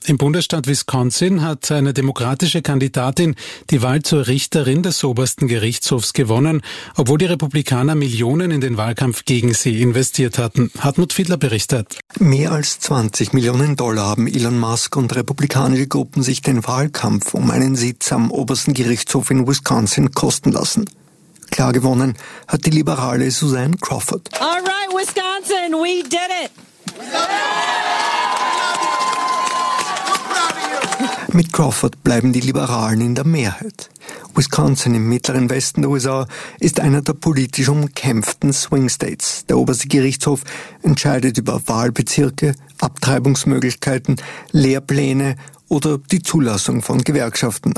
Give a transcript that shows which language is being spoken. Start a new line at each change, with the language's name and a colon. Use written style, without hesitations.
German: Im Bundesstaat Wisconsin hat eine demokratische Kandidatin die Wahl zur Richterin des obersten Gerichtshofs gewonnen, obwohl die Republikaner Millionen in den Wahlkampf gegen sie investiert hatten. Hartmut Fiedler berichtet. Mehr als 20 Millionen Dollar haben Elon Musk und republikanische Gruppen sich den Wahlkampf um einen Sitz am obersten Gerichtshof in Wisconsin kosten lassen. Klar gewonnen hat die Liberale Suzanne Crawford.
English: All right, Wisconsin, we did it!
German: Mit Crawford bleiben die Liberalen in der Mehrheit. Wisconsin im mittleren Westen der USA ist einer der politisch umkämpften Swing States. Der oberste Gerichtshof entscheidet über Wahlbezirke, Abtreibungsmöglichkeiten, Lehrpläne oder die Zulassung von Gewerkschaften.